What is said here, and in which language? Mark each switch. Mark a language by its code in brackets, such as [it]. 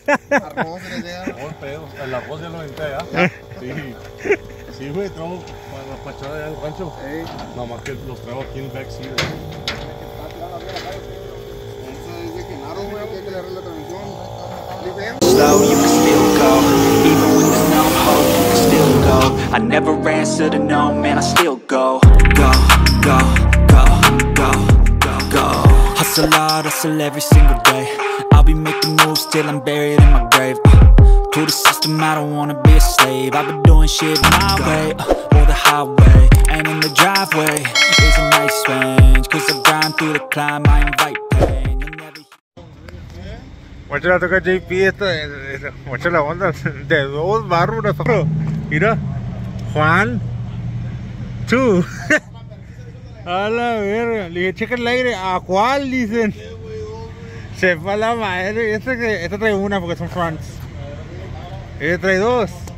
[es] Arroz, ¿no? Todo el pedo. El arroz ya lo inventé, ¿ah? Sí. Sí, güey, traigo para la pachada del rancho. Nada más que los traigo aquí en el backseat. Entonces dice que Naro, güey, que le arregle la transmisión. [en] Slow, you can still go. Even when there's no hope, you can still go. I never answer to no, man, I still go. Go, go, go, go, go, go. Hustle hard, hustle every single day. I'll be making moves till I'm buried in my grave. To the system, I don't wanna be a slave. I've been doing shit my way, or the highway. And in the driveway, is a nice range. Cause I grind through the climb, I invite pain. [es] Mucho la toca JP esta, mucho la onda, de dos bárbaros, bro. Mira, Juan, tú. A la verga, le dije, checa el aire, ¿a cuál dicen? Se fue a la madre, esta trae una porque son fans. Ella trae dos.